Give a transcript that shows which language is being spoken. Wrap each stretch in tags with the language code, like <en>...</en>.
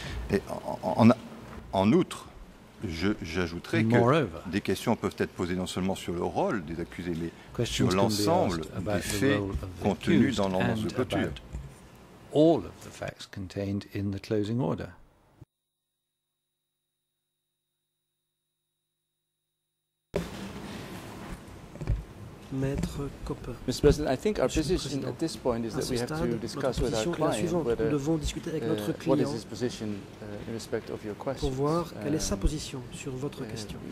<fr>Et en outre, j'ajouterai que des questions peuvent être posées non seulement sur le rôle des accusés, mais sur l'ensemble des faits contenus dans l'ordonnance de clôture.</fr> <en>All of the facts contained in the closing order.</en> <fr>Maître Koppe.</fr> <en>Mr. President, I think our position at this point is that we have to discuss with our client whether what is his position in respect of your question.</en> <fr>Pour voir quelle est sa position sur votre question.</fr>